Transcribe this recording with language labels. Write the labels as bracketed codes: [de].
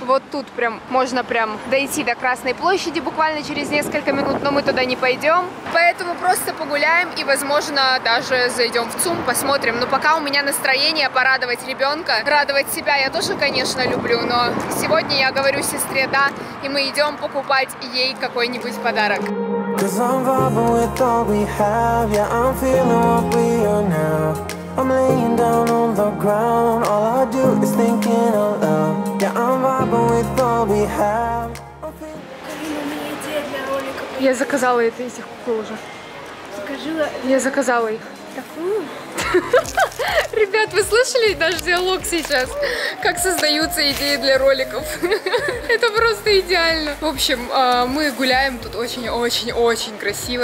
[ru] Вот тут прям можно прям дойти до Красной площади буквально через несколько минут, но мы туда не пойдем. Поэтому просто погуляем и, возможно, даже зайдем в ЦУМ, посмотрим. Но пока у меня настроение порадовать ребенка, радовать себя я тоже, конечно, люблю. Но сегодня я говорю сестре «да», и мы идем покупать ей какой-нибудь подарок. [en] Cause I'm vibing with all we have, yeah, I'm feeling what we are now. I'm laying down on the ground, all I do is thinking of love. Yeah, I'm vibing with all we have. [ru] Я заказала это, этих кукол уже. Закажила? Я заказала их. Такую? Ребят, вы слышали наш диалог сейчас? Как создаются идеи для роликов? Это просто идеально. В общем, мы гуляем тут очень-очень-очень красиво.